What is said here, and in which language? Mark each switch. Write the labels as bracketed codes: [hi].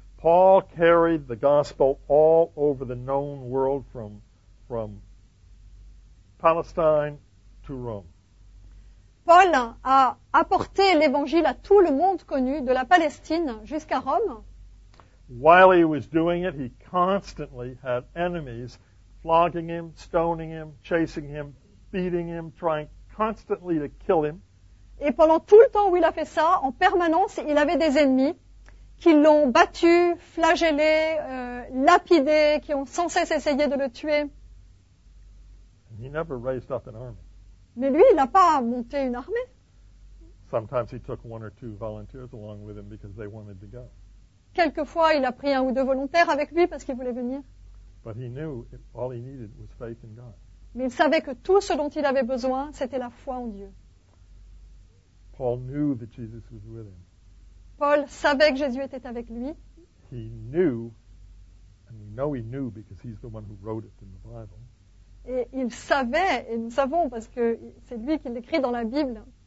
[en] Paul carried the gospel all over the known world from Palestine to Rome. [fr] Paul a apporté l'évangile à tout le monde connu, de la Palestine jusqu'à Rome. [en] While he was doing it, he constantly had enemies flogging him, stoning him, chasing him, beating him, trying constantly to kill him. [fr] Et pendant tout le temps où il a fait ça, en permanence, il avait des ennemis qui l'ont battu, flagellé, lapidé, qui ont sans cesse essayé de le tuer. [en] He never raised up an army. [fr] Mais lui, il n'a pas monté une armée. [en] Sometimes he took one or two volunteers along with him because they wanted to go. [fr] Quelquefois, il a pris un ou deux volontaires avec lui parce qu'il voulait venir. [en] But he knew it, all he needed was faith in God. [fr] Mais il savait que tout ce dont il avait besoin, c'était la foi en Dieu. [en] Paul knew that Jesus was with him. [fr] Paul savait que Jésus était avec lui. [en] He knew, and we know he knew because he's the one who wrote it in the Bible. [fr] Et il savait, et nous savons parce que c'est lui qui l'écrit dans la Bible.